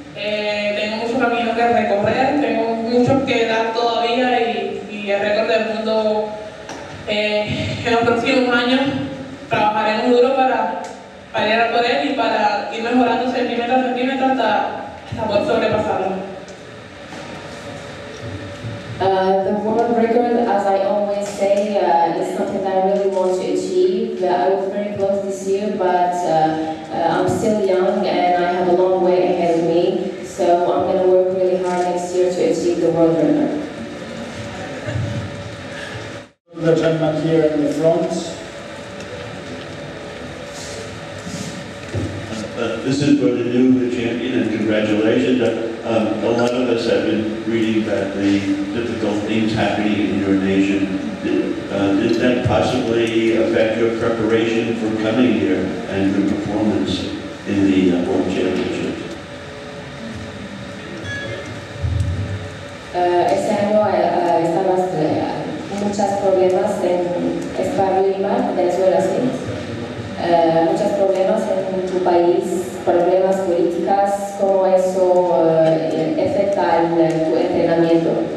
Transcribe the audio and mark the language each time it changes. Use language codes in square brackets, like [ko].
[es] Tengo mucho camino que recorrer, tengo mucho que dar todavía y el récord del mundo en los próximos años trabajaremos duro para ir a por él y para ir mejorando centímetro a centímetro hasta poder sobrepasarlo. [en] The world record, as I always say, is something that I really want to achieve. I was very close this year, but I'm still young and I have a long way ahead of me. So I'm going to work really hard next year to achieve the world record. The gentleman here in the front. This is for the new champion, and congratulations. A lot of us have been reading about the difficult things happening in your nation. Did that possibly affect your preparation for coming here and your performance in the World Championship? [es] Ese año estamos muchos problemas en Estado Lima, Venezuela, sí. Muchos problemas en tu país, problemas políticas, ¿cómo eso afecta tu entrenamiento?